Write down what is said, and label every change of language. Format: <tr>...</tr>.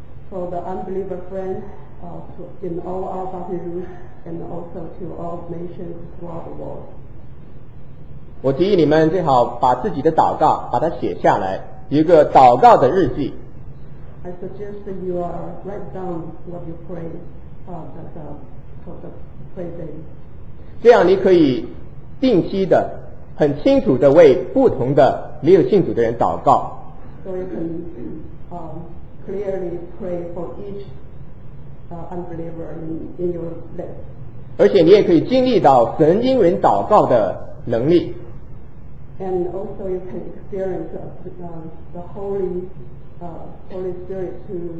<en>For the unbeliever friends, in all our Baton Rouge, and also to all nations throughout the world.</en> <zh>我提议你们最好把自己的祷告把它写下来，一个祷告的日记。</zh> <en>I suggest that you write down what you pray for the prayer day.</en> <zh>这样你可以定期的、很清楚的为不同的没有信主的人祷告。</zh> <en>So you can clearly pray for each unbeliever in your life.</en> <zh>而且你也可以经历到神应允祷告的能力。</zh> <en>And also you can experience the Holy Spirit to</en>